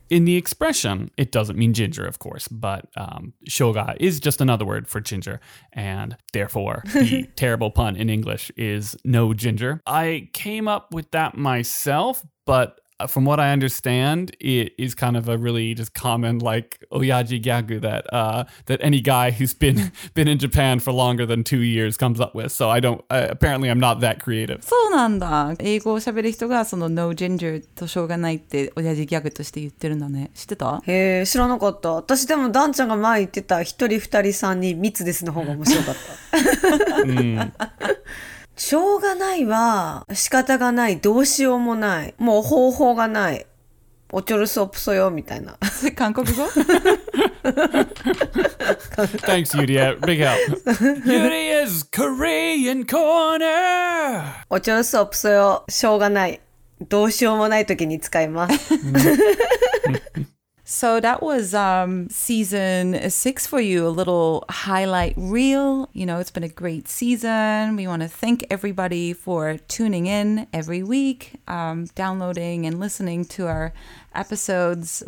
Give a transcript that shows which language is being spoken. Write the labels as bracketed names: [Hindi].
[English] In the expression, it doesn't mean ginger, of course, but shouga is just another word for ginger, and therefore the terrible pun in English is no ginger. I came up with that myself, but from what I understand, it is kind of a really just common like oyaji gyagu that that any guy who's been in Japan for longer than 2 years comes up with. So I don't. Apparently, I'm not that creative. [Japanese] そうなんだ。英語を喋る人がその [English] no ginger [Japanese] としょうがないって親父ギャグとして言ってるんだね。知ってた？へえ、知らなかった。私でもダンちゃんが前言ってた一人二人三人三つですの方が面白かった。しょうがないは仕方がない、どうしようもない、もう方法がない、おちょるそぷそよみたいな韓国語 [English] Thanks, Yuria. Big help. Yuria's Korean Corner! [Japanese] おちょるそぷそよ、しょうがない、どうしようもない時に使います [English] So that was season 6 for you, a little highlight reel. You know, it's been a great season. We want to thank everybody for tuning in every week, downloading and listening to our episodes.